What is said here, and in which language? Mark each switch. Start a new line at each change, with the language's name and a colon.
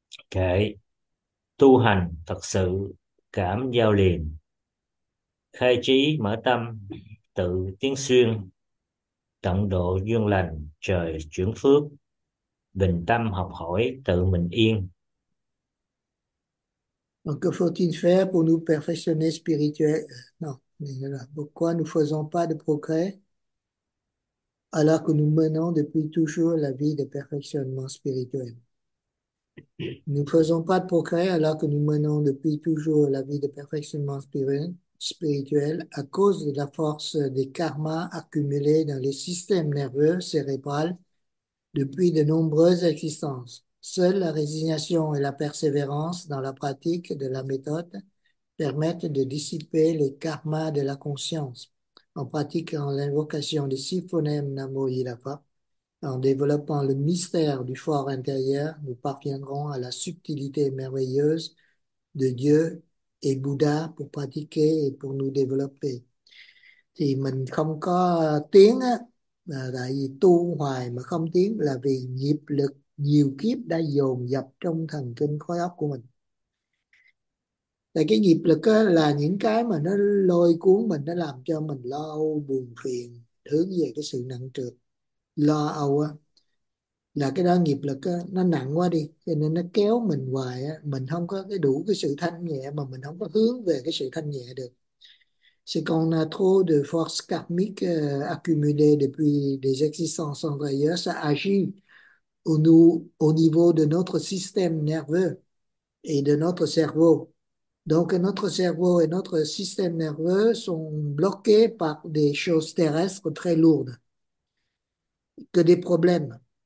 Vietnamese: Kệ: tu hành thật sự cảm giao liền, khai trí mở tâm tự tiến xuyên, tận độ duyên lành trời chuyển phước, bình tâm học hỏi tự mình yên.
French: Donc, que faut-il faire pour nous perfectionner spirituellement? Non, voilà. Pourquoi nous ne faisons pas de progrès alors que nous menons depuis toujours la vie de perfectionnement spirituel? Nous ne faisons pas de progrès alors que nous menons depuis toujours la vie de perfectionnement spirituel à cause de la force des karmas accumulés dans les systèmes nerveux cérébral depuis de nombreuses existences. Seule la résignation et la persévérance dans la pratique de la méthode permettent de dissiper les karmas de la conscience en pratiquant l'invocation des six phonèmes Namo Yidapa, en développant le mystère du fort intérieur, nous parviendrons à la subtilité merveilleuse de Dieu et Bouddha pour pratiquer et pour nous développer.
Vietnamese: Thì mình không có tiếng á, là tại vì tu hoài mà không tiếng là vì nghiệp lực nhiều kiếp đã dồn dập trong thần kinh khối óc của mình. Tại cái nghiệp lực á, là những cái mà nó lôi cuốn mình, nó làm cho mình lo âu buồn phiền, hướng về cái sự nặng trược lo âu á, là cái đó nghiệp lực á, nó nặng quá đi cho nên nó kéo mình hoài á, mình không có cái đủ cái sự thanh nhẹ mà mình không có hướng về cái sự thanh nhẹ được.
French: C'est qu'on a trop de force karmique accumulée depuis des existences antérieures, ça agit au niveau de notre système nerveux et de notre cerveau. Donc, notre cerveau et notre système nerveux sont bloqués par des choses terrestres très lourdes, que des problèmes.